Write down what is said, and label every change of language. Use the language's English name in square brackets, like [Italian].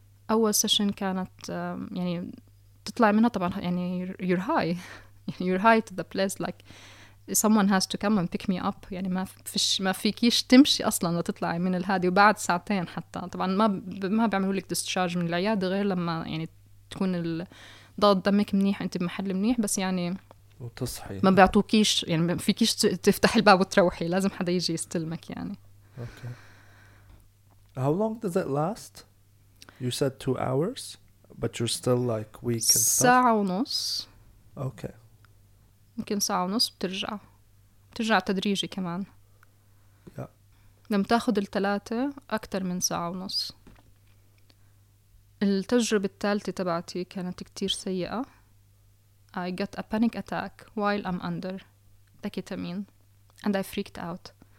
[Arabic] أول سيشن كانت يعني تطلع منها طبعا يعني [English] you're high you're high to the place like someone has to come and pick me up [Arabic] يعني ما فيكيش تمشي أصلا لتطلع من الهادي وبعد ساعتين حتى طبعا ما بيعملوا لك discharge من العيادة غير لما يعني تكون ضغط دمك منيح أنت بمحل منيح بس يعني وتصحي ما بيعطوكيش يعني ما فيكيش تفتح الباب وتروحي لازم حدا يجي يستلمك يعني [English] okay. How long does it last? You said 2 hours, but you're still like weak and stuff. [Arabic] ساعة ونص. [English] Okay. [Arabic] ممكن ساعة ونص بترجع تدريجي كمان. [English] Yeah. [Arabic] لما تاخد التلاتة أكتر من ساعة ونص. التجربة الثالثة تبعتي كانت كتير سيئة. [English] I got a panic attack while I'm under the ketamine and I freaked out.